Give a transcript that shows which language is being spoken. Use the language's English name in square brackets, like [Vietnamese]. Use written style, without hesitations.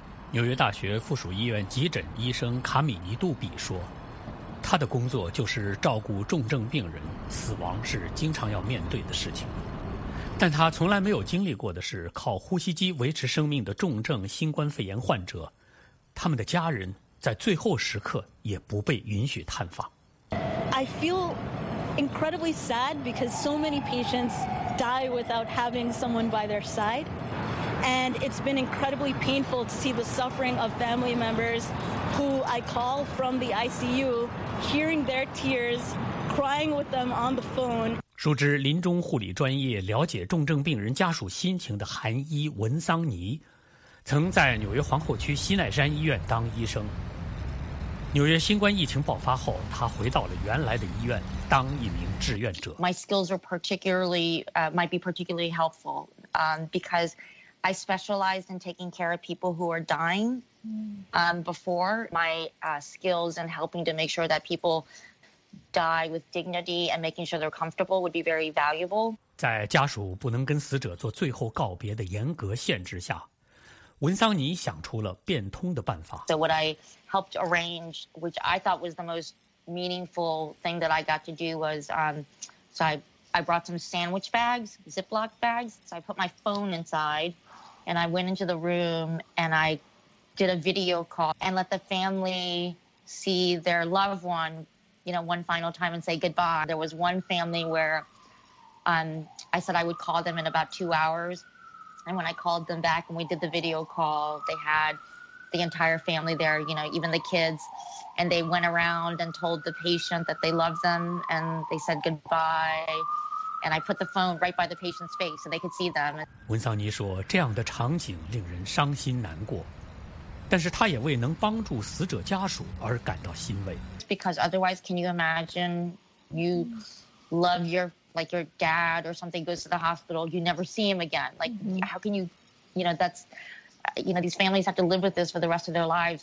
[Chinese] 纽约大学附属医院急诊医生卡米尼杜比说，他的工作就是照顾重症病人，死亡是经常要面对的事情。但他从来没有经历过的是靠呼吸机维持生命的重症新冠肺炎患者，他们的家人在最后时刻也不被允许探访。 [English] I feel incredibly sad because so many patients die without having someone by their side. And it's been incredibly painful to see the suffering of family members who I call from the ICU. Hearing their tears, crying with them on the phone. [Chinese] 熟知临终护理专业、了解重症病人家属心情的韩医文桑尼，曾在纽约皇后区西奈山医院当医生。纽约新冠疫情爆发后，他回到了原来的医院当一名志愿者。 [English] My skills are particularly might be particularly helpful, because I specialized in taking care of people who are dying. Before, my skills in helping to make sure that people die with dignity and making sure they're comfortable would be very valuable. [Chinese] 在家属不能跟死者做最后告别的严格限制下，文桑尼想出了变通的办法。 [English] So what I helped arrange, which I thought was the most meaningful thing that I got to do was, so I brought some sandwich bags, Ziploc bags. So I put my phone inside and I went into the room and I did a video call and let the family see their loved one, you know, one final time and say goodbye. There was one family where I said I would call them in about 2 hours. And when I called them back and we did the video call, they had the entire family there, you know, even the kids. And they went around and told the patient that they loved them and they said goodbye. And I put the phone right by the patient's face so they could see them. [Chinese] 文桑尼说，这样的场景令人伤心难过。但是他也为能帮助死者家属而感到欣慰。 [English] Because otherwise, can you imagine you love your, like your dad or something goes to the hospital, you never see him again. Like, how can you, you know, that's, you know, these families have to live with this for the rest of their lives.